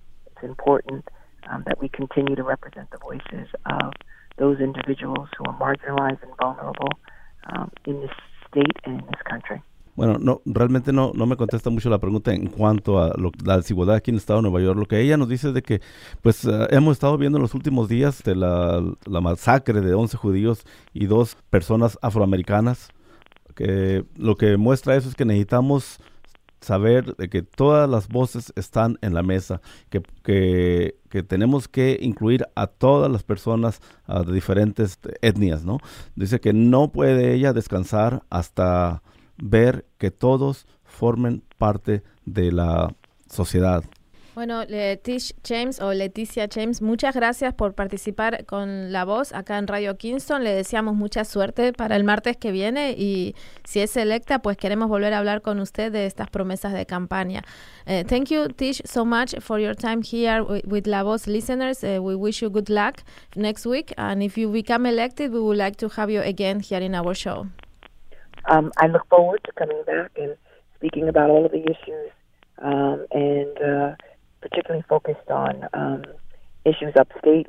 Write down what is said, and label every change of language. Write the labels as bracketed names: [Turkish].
[English] It's important that we continue to represent the voices of those individuals who are marginalized and vulnerable in this state and in this country. [Spanish] Bueno, realmente no me contesta mucho la pregunta en cuanto a la desigualdad aquí en el estado de Nueva York. Lo que ella nos dice es de que, pues, hemos estado viendo en los últimos días de la masacre de 11 judíos y 2 personas afroamericanas. Que lo que muestra eso es que necesitamos saber de que todas las voces están en la mesa, que tenemos que incluir a todas las personas de diferentes etnias, ¿no? Dice que no puede ella descansar hasta ver que todos formen parte de la sociedad. Bueno, Leticia James, muchas gracias por participar con La Voz acá en Radio Kingston. Le deseamos mucha suerte para el martes que viene y si es electa, pues queremos volver a hablar con usted de estas promesas de campaña. [English] Thank you, Tish, so much for your time here with La Voz listeners. We wish you good luck next week. And if you become elected, we would like to have you again here in our show. I look forward to coming back and speaking about all of the issues particularly focused on issues upstate.